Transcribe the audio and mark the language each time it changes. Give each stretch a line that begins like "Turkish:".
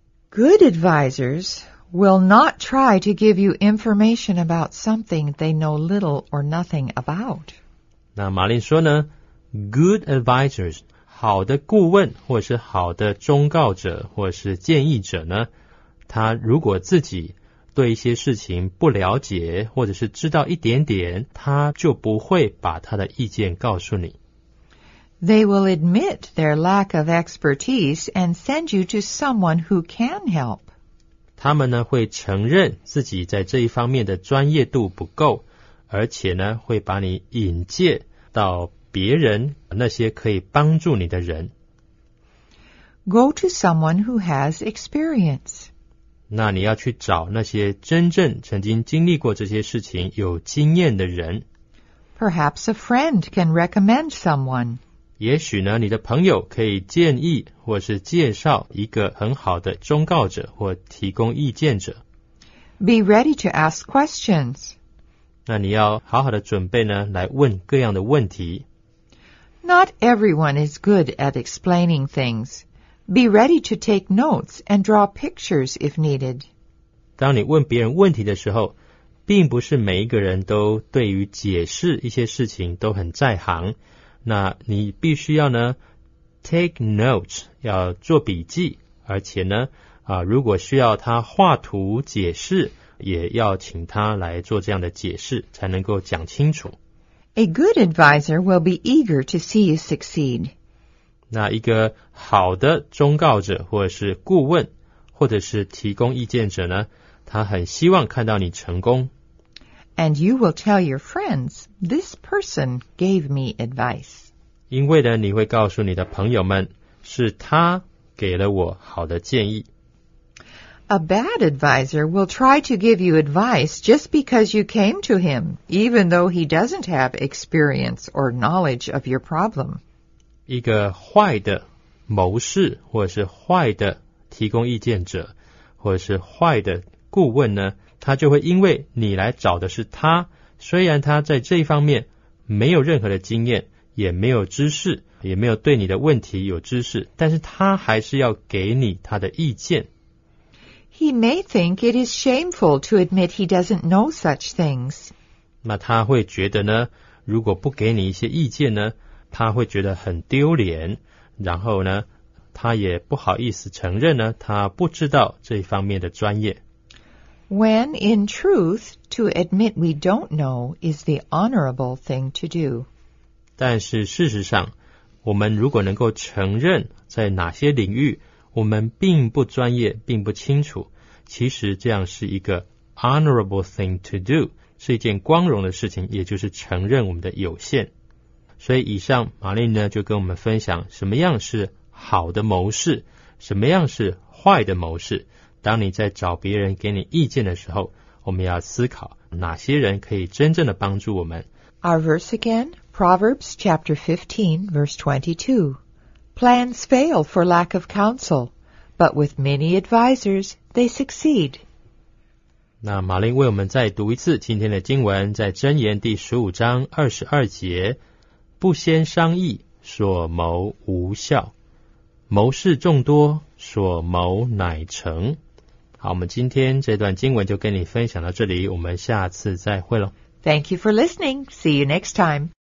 English: Good advisors will not try to give you information about something they know little or nothing about.
Chinese: 那马林说呢，
English: good advisors,
Chinese: 好的顾问或是好的忠告者或是建议者呢，他如果自己对一些事情不了解或者是知道一点点，他就不会把他的意见告诉你。
English: They will admit their lack of expertise and send you to someone who can help.
Chinese: 他们呢会承认自己在这一方面的专业度不够，而且呢会把你引介到别人，那些可以帮助你的人。
English: Go to someone who has experience.
Chinese: 那你要去找那些真正曾经经历过这些事情有经验的人。
English: Perhaps a friend can recommend someone.
Chinese: 也许呢，你的朋友可以建议或是介绍一个很好的忠告者或提供意见者。
English: Be ready to ask questions.
Chinese: 那你要好好的准备呢，来问各样的问题。
English: Not everyone is good at explaining things. Be ready to take notes and draw pictures if needed.
Chinese: 当你问别人问题的时候，并不是每一个人都对于解释一些事情都很在行。那你必须要呢
English: take notes,
Chinese: 要做笔记，而且呢如果需要他画图解释，也要请他来做这样的解释，才能够讲清楚。
English: A good advisor will be eager to see you succeed.
Chinese: 那一个好的忠告者或者是顾问或者是提供意见者呢，他很希望看到你成功。
English: And you will tell your friends, this person gave me advice.
Chinese: 因为呢，你会告诉你的朋友们，是他给了我好的建议。
English: A bad advisor will try to give you advice just because you came to him, even though he doesn't have experience or knowledge of your problem.
Chinese: 一个坏的谋士，或者是坏的提供意见者，或者是坏的顾问呢？他就会因为你来找的是他，虽然他在这一方面没有任何的经验，也没有知识，也没有对你的问题有知识，但是他还是要给你他的意见。
English: He may think it is shameful to admit he doesn't know such things.
Chinese: 那他会觉得呢，如果不给你一些意见呢，他会觉得很丢脸，然后呢，他也不好意思承认呢，他不知道这一方面的专业。
English: When, in truth, to admit we don't know is the honorable thing to do.
Chinese: 但是事实上，我们如果能够承认在哪些领域我们并不专业，并不清楚，其实这样是一个
English: honorable thing to do,
Chinese: 是一件光荣的事情，也就是承认我们的有限。所以以上玛丽呢就跟我们分享什么样是好的谋士，什么样是坏的谋士。当你在找别人给你意见的时候，我们要思考哪些人可以真正的帮助我们。
English: Our verse again, Proverbs chapter 15, verse 22. Plans fail for lack of counsel, but with many advisors, they succeed.
Chinese: 那马琳为我们再读一次今天的经文，在箴言第15章22节，不先商议，所谋无效。谋事众多，所谋乃成。好，我们今天这段经文就跟你分享到这里，我们下次再会咯。
English: Thank you for listening. See you next time.